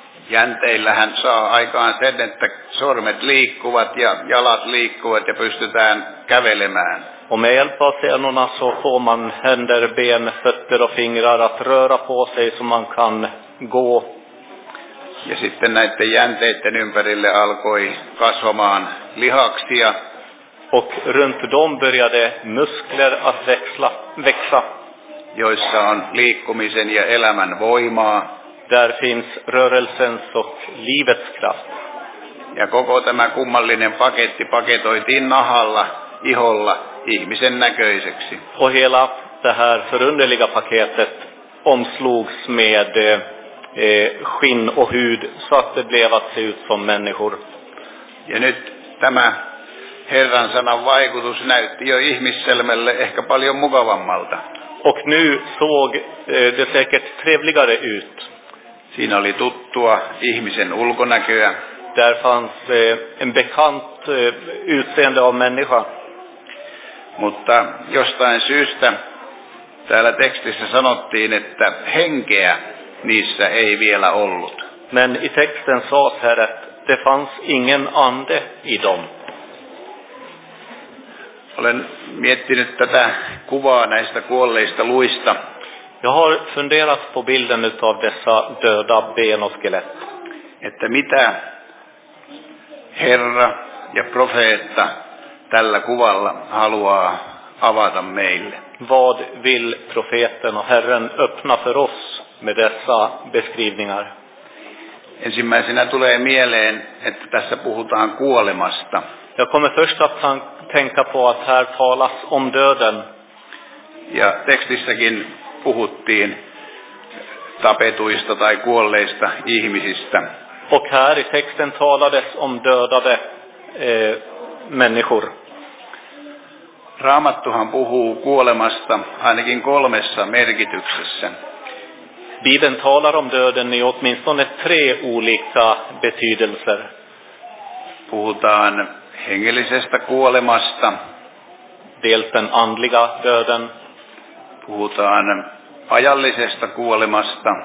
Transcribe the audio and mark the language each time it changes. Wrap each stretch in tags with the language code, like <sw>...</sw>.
<fi>Jänteillähän saa aikaan sen, että sormet liikkuvat ja jalat liikkuvat ja pystytään kävelemään.</fi> <sv>Och med hjälp av senorna så får man händer, ben, fötter och fingrar att röra på sig så man kan gå.</sv> <fi>Ja sitten näiden jänteiden ympärille alkoi kasvamaan lihaksia.</fi> <sv>Och runt dem började muskler att växa.</sv> <fi>Joissa on liikkumisen ja elämän voimaa.</fi> <sv>Där finns rörelsens och livets kraft.</sv> <fi>Ja koko tämä kummallinen paketti paketoitiin nahalla, iholla, ihmisen näköiseksi.</fi> <sv>Och hela det här förunderliga paketet omslogs med skinn och hud så att det blev att se ut som människor.</sv> <fi>Ja nyt tämä Herran sanan vaikutus näytti jo ihmisselmälle ehkä paljon mukavammalta.</fi> <sv>Och nu såg det säkert trevligare ut.</sv> <fi>Siinä oli tuttua ihmisen ulkonäköä.</fi> <sv>Där fanns en bekant utseende av människa.</sv> <fi>Mutta jostain syystä täällä tekstissä sanottiin, että henkeä niissä ei vielä ollut.</fi> <sv>Men i texten sades här att det fanns ingen ande i dem.</sv> <fi>Olen miettinyt tätä kuvaa näistä kuolleista luista.</fi> <sv>Jag har funderat på bilden utav dessa döda ben och skelett.</sv> <fi>Että mitä Herra ja profeetta tällä kuvalla haluaa avata meille?</fi> <sv>Vad vill profeten och Herren öppna för oss med dessa beskrivningar?</sv> <fi>Ensimmäisenä tulee mieleen, että tässä puhutaan kuolemasta.</fi> <sv>Jag kommer först att tänka på att här talas om döden.</sv> <fi>Ja textissäkin puhuttiin tapetuista tai kuolleista ihmisistä.</fi> <sv>Och här i texten talades om dödade människor.</sv> <fi>Raamattuhan puhuu kuolemasta ainakin kolmessa merkityksessä.</fi> <sv>Bibeln talar om döden i åtminstone tre olika betydelser.</sv> <fi>Puhutaan hengellisestä kuolemasta.</fi> <sv>Dels den andliga döden.</sv> <fi>Puhutaan ajallisesta kuolemasta.</fi>